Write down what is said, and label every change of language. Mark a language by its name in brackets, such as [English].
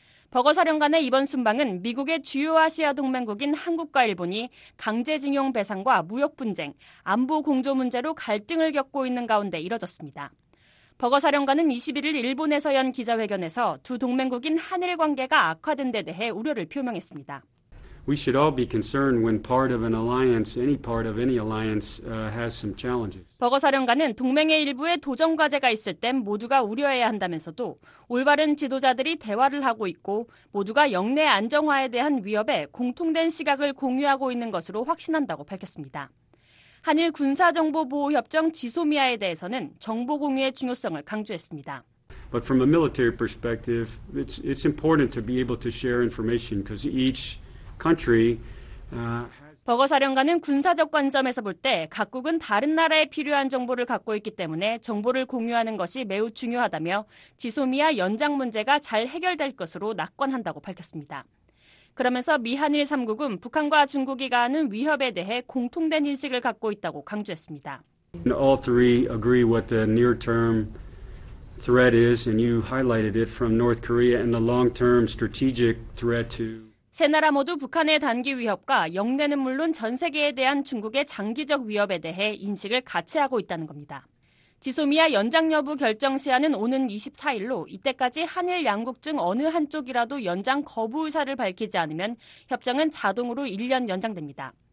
[Korean] 버거 사령관의 이번 순방은 미국의 주요 아시아 동맹국인 한국과 일본이 강제징용 배상과 무역 분쟁, 안보 공조 문제로 갈등을 겪고 있는 가운데 이뤄졌습니다. 버거 사령관은 21일 일본에서 연 기자회견에서 두 동맹국인 한일 관계가 악화된 데 대해 우려를 표명했습니다. [English] We should all be concerned when part of an alliance, any part of any alliance, has some challenges. [Korean] 버거 사령관은 동맹의 일부에 도전 과제가 있을 땐 모두가 우려해야 한다면서도 올바른 지도자들이 대화를 하고 있고 모두가 영내 안정화에 대한 위협에 공통된 시각을 공유하고 있는 것으로 확신한다고 밝혔습니다. 한일 군사정보보호협정 지소미아에 대해서는 정보 공유의 중요성을 강조했습니다. [English] But from a military perspective, it's important to be able to share information because each country [Korean] 버거 사령관은 군사적 관점에서 볼 때 각국은 다른 나라에 필요한 정보를 갖고 있기 때문에 정보를 공유하는 것이 매우 중요하다며 지소미아 연장 문제가 잘 해결될 것으로 낙관한다고 밝혔습니다. 그러면서 미한일 3국은 북한과 중국이 가하는 위협에 대해 공통된 인식을 갖고 있다고 강조했습니다. [English] All three agree what the near-term threat is, and you highlighted it from North Korea and the long-term strategic threat to [Korean] 세 나라 모두 북한의 단기 위협과 영내는 물론 전 세계에 대한 중국의 장기적 위협에 대해 인식을 같이 하고 있다는 겁니다. 지소미아 연장 여부 결정 시한은 오는 24일로 이때까지 한일 양국 중 어느 한쪽이라도 연장 거부 의사를 밝히지 않으면 협정은 자동으로 1년 연장됩니다.